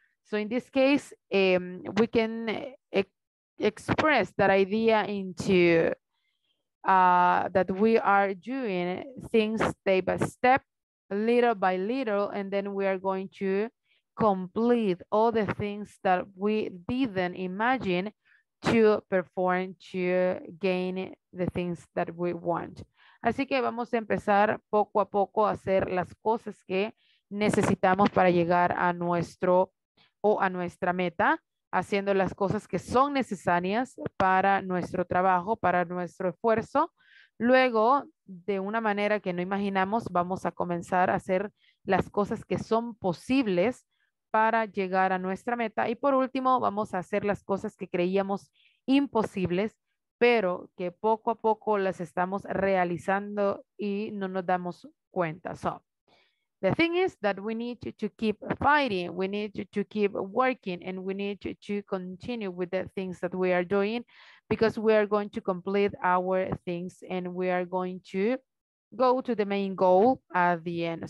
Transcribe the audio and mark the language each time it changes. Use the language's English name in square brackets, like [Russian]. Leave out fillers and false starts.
[English] So in this case, we can express that idea into that we are doing things step by step, little by little, and then we are going to complete all the things that we didn't imagine to perform to gain the things that we want. [Spanish] Así que vamos a empezar poco a poco a hacer las cosas que necesitamos para llegar a nuestro o a nuestra meta, haciendo las cosas que son necesarias para nuestro trabajo, para nuestro esfuerzo. Luego, de una manera que no imaginamos, vamos a comenzar a hacer las cosas que son posibles para llegar a nuestra meta. Y por último, vamos a hacer las cosas que creíamos imposibles, pero que poco a poco las estamos realizando y no nos damos cuenta. [English] So, the thing is that we need to keep fighting, we need to keep working, and we need to continue with the things that we are doing, because we are going to complete our things and we are going to go to the main goal at the end.